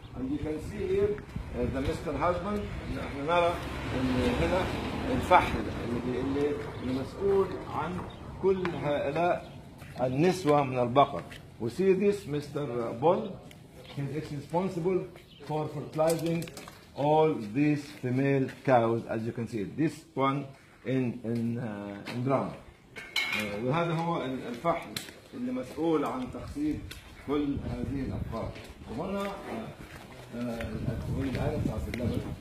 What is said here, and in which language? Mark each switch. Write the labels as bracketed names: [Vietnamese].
[English] And you can see here the Mr. Husband. [Arabic] احنا نرى ان هنا الفحل اللي مسؤول عن كل هؤلاء النسوة من البقر. [English] We see this Mr. Bull. He is responsible for fertilizing all these female cows, as you can see. This one in drama. [Arabic] وهذا هو الفحل اللي مسؤول عن تخصيب كل هذه الأبقار. وهنا الحلاب بتاعت اللبن.